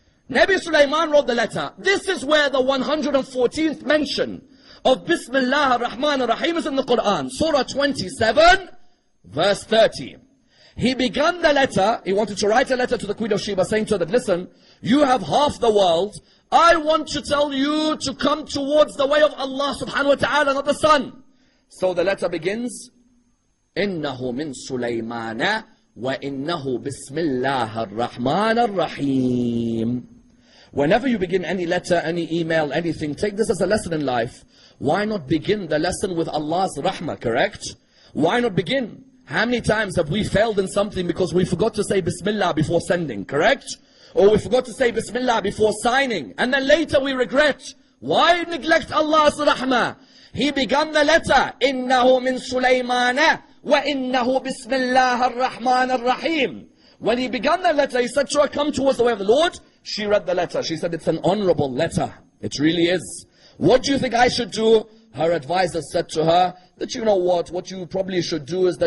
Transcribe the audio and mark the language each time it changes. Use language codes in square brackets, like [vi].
[en] Nabi Sulaiman wrote the letter. This is where the 114th mention of Bismillah ar-Rahman ar-Rahim is in the Quran. Surah 27, verse 30. He began the letter, he wanted to write a letter to the Queen of Sheba saying to her that, listen, you have half the world. I want to tell you to come towards the way of Allah subhanahu wa ta'ala, not the sun. So the letter begins, [ar] إِنَّهُ مِن سُلَيْمَانَ وَإِنَّهُ بِسْمِ اللَّهِ الرَّحْمَنَ الرَّحِيمِ. [en] Whenever you begin any letter, any email, anything, take this as a lesson in life. Why not begin the lesson with Allah's rahmah, correct? Why not begin? How many times have we failed in something because we forgot to say Bismillah before sending, correct? Or we forgot to say Bismillah before signing, and then later we regret. Why neglect Allah's rahmah? He began the letter, [ar] إِنَّهُ مِن سُلَيْمَانَ وَإِنَّهُ بِسْمِ اللَّهِ الرَّحْمَنَ الرَّحِيمِ. [en] When he began the letter, he said to her, come towards the way of the Lord. She read the letter. She said, it's an honorable letter. It really is. What do you think I should do? Her advisor said to her, that you know what you probably should do is that